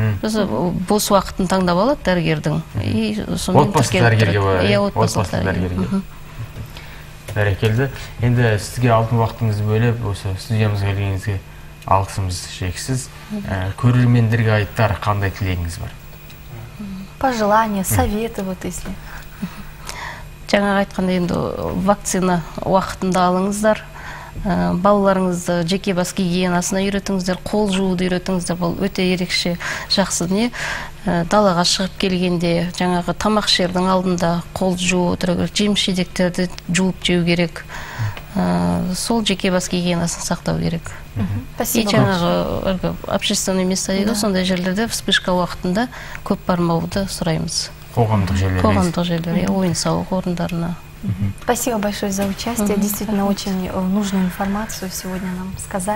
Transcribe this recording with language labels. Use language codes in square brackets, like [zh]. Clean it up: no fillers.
[kk] Бос уақытын таңдап алады дәрігердің. Отбасы дәрігерге бөлі. Отбасы дәрігерге. Бәрекелді. Енді сізге алтын уақытыңызды бөліп, осы студиямызға келгеніңізге алғысымыз шексіз. Көрермендерге айтар қандай тілегіңіз бар? [ru] Пожелания, советы, вот если. [kk] Жаңа айтқанда енді вакцина уақытында алыңыздар. Балаларыңызды жеке бас гигиенасына үйретіңіздер, қол жууды үйретіңіздер, бұл өте ерекше жақсы не. Далаға шығып келгенде жаңағы тамақ ішердің алдында қол жуу отыру керек, жеміс-жидектерді жуып жеу керек. Сол жеке бас гигиенасын сақтау керек. И жаңағы [ru] общественный места [kk] дейді, сондай жерлерде вспышка уақытында көп бармауды сұраймыз. Коғамдық жерлерге, ойын сауық орындарына. [ru] Спасибо большое за участие. Действительно, очень нужную информацию сегодня нам сказали.